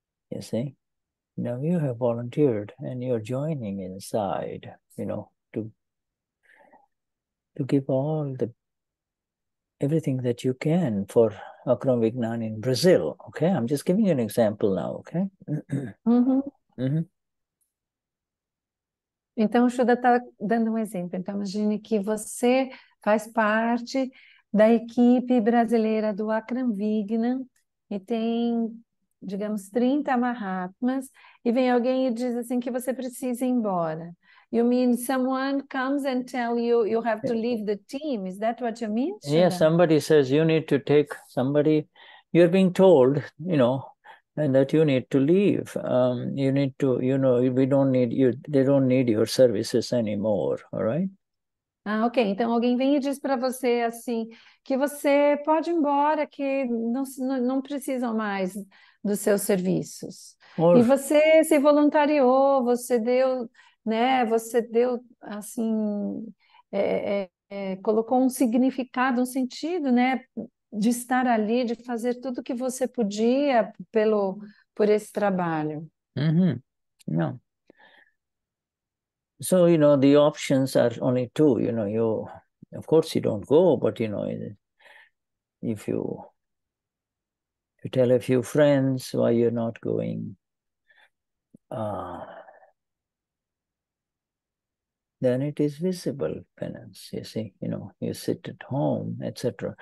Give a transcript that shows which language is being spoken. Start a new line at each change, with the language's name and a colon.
English: You see? Now you have volunteered and you're joining inside, you know, to give all the, everything that you can for Akram Vignan in Brazil. Okay? I'm just giving you an example now, okay?
Portuguese: Então, o Shuddha está dando um exemplo. Então, imagine que você faz parte da equipe brasileira do Akram Vignan e tem, digamos, 30 Mahatmas e vem alguém e diz assim que você precisa ir embora.
English: You mean someone comes and tell you you have to leave the team? Is that what you mean, Shuddha? Yeah, somebody says you need to take somebody. You're being told, you know, and that you need to leave. You need to, you know, we don't need you. They don't need your services anymore. All right?
Portuguese: Ah, ok. Então alguém vem e diz para você assim que você pode ir embora, que não precisam mais dos seus serviços.
English: Or...
Portuguese: E você se voluntariou, você deu, né? Você deu assim, colocou um significado, um sentido, né? De estar ali, de fazer tudo que você podia pelo por esse trabalho. Não.
English: So, you know, the options are only two, you know, you, of course you don't go, but you know, if you, you tell a few friends why you're not going, then it is visible penance, you see, you know, you sit at home, etc.